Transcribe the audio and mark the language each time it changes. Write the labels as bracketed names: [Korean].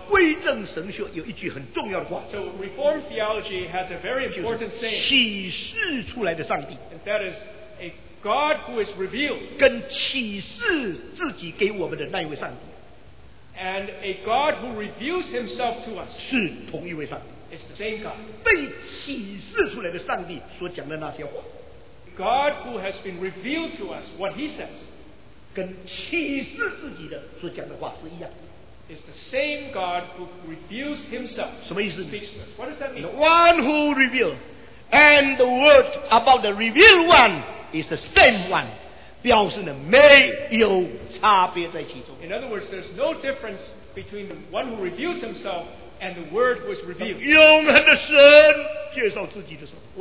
[Chinese] 归正神学有一句很重要的话, [English] so Reformed theology has a very important saying, [Chinese] 启示出来的上帝, [English] and that is a God who is revealed, [Chinese] 跟启示自己给我们的那一位上帝, [English] and a God who reveals himself to us, [Chinese] 是同一位上帝, [English] it's the same God, [Chinese] 被启示出来的上帝所讲的那些话, [English] God who has been revealed to us, what he says, [Chinese] 跟启示自己的所讲的话是一样, [English] it's the same God who reveals himself. [Chinese] 什么意思? [English] Speaks to us. What does that mean? The one who reveals, And the word about the revealed one is the same one. [Chinese] 表示了没有差别在其中。 [English] In other words, there's no difference between the one who reveals himself and the word who is revealed. [Chinese] 永恒的神介绍自己的时候,